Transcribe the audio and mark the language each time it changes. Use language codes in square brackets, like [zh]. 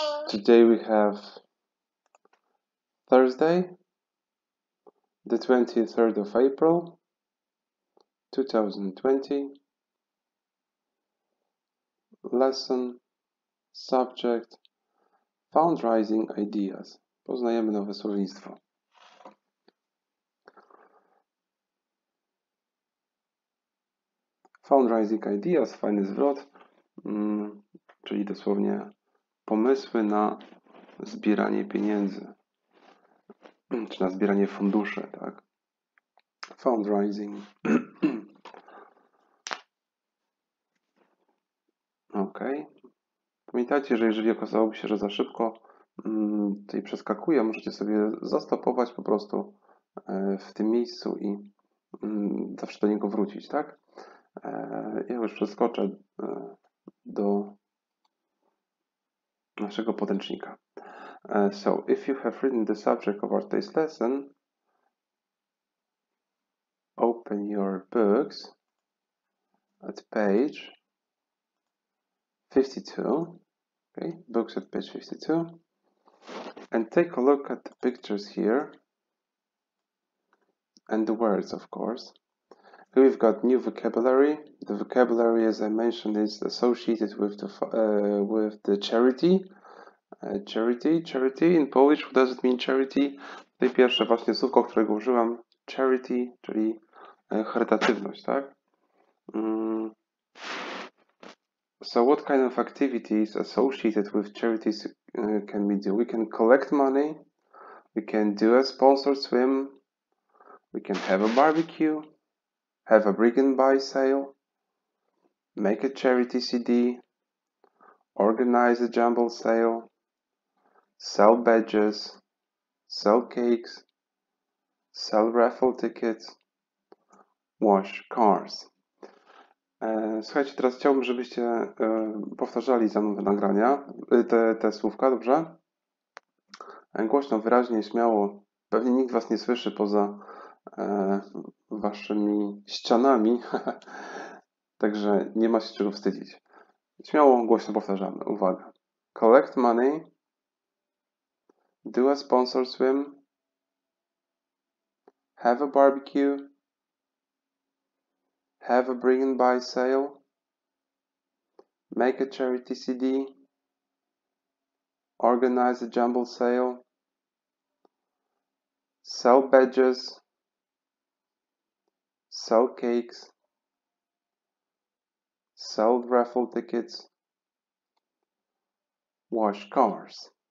[en] Today we have Thursday, the 23rd of April, 2020, lesson, subject, fundraising ideas. [pl] Poznajemy nowe słownictwo. Fundraising ideas, fajny zwrot, czyli dosłownie pomysły na zbieranie pieniędzy. Czy na zbieranie funduszy, tak? Fundraising. Ok. Pamiętajcie, że jeżeli okazałoby się, że za szybko tutaj przeskakuje, możecie sobie zastopować po prostu w tym miejscu i zawsze do niego wrócić, tak? Ja już przeskoczę do naszego podręcznika. [en] So, if you have written the subject of our today's lesson, open your books at page 52, okay, books at page 52, and take a look at the pictures here, and the words, of course. Here we've got new vocabulary. The vocabulary, as I mentioned, is associated with the charity. Charity in Polish, what does it mean charity? [pl] To pierwsze właśnie słówko, którego użyłam, charity, czyli charytatywność, tak? [en] So what kind of activities associated with charities can we do? We can collect money, we can do a sponsored swim, we can have a barbecue, have a bring and buy sale, make a charity CD, organize a jumble sale, sell badges, sell cakes, sell raffle tickets, wash cars. [pl] Słuchajcie, teraz chciałbym, żebyście powtarzali za mną te nagrania, te słówka, dobrze? Głośno, wyraźnie, śmiało. Pewnie nikt was nie słyszy poza waszymi ścianami, także nie ma się czego wstydzić. Śmiało, głośno powtarzamy. Uwaga. [en] Collect money. Do a sponsor swim, have a barbecue, have a bring and buy sale, make a charity CD, organize a jumble sale, sell badges, sell cakes, sell raffle tickets, wash cars.